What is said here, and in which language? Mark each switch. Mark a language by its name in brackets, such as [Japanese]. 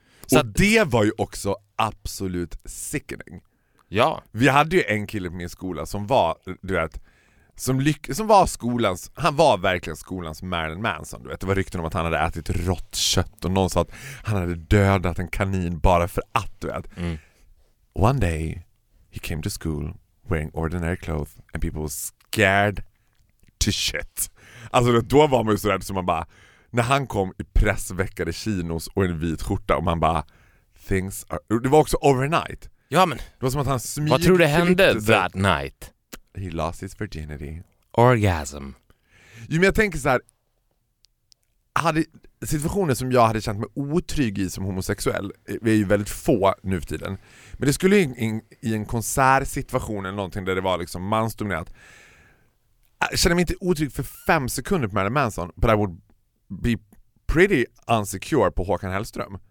[Swedish] Så och att, det var ju också absolut sickening. Ja. Vi hade ju en kille på min skola som var, du vet, som var skolans, han var verkligen skolans Marilyn Manson, du vet. Det var rykten om att han hade ätit rått kött och någon sa att han hade dödat en kanin bara för att, du vet. Mm. [English] One day he came to school wearing ordinary clothes and people were scared to shit. [Swedish] Alltså då var man ju så rädd som man bara, när han kom i pressveckade chinos och en vit skjorta och man bara, [English] things are, [Swedish] det var också overnight. Ja men, det var som att han smyg, vad tror du hände [English] that night? He lost his virginity. Orgasm. [Swedish] Jo men jag tänker så här, hade situationer som jag hade känt mig otrygg i som homosexuell, vi är ju väldigt få nu för tiden, men det skulle ju i en konsertsituation eller någonting där det var liksom mansdominerat, jag känner mig inte otrygg för 5 sekunder på Marilyn Manson, [English] but I would be pretty insecure [Swedish] på Håkan Hellström.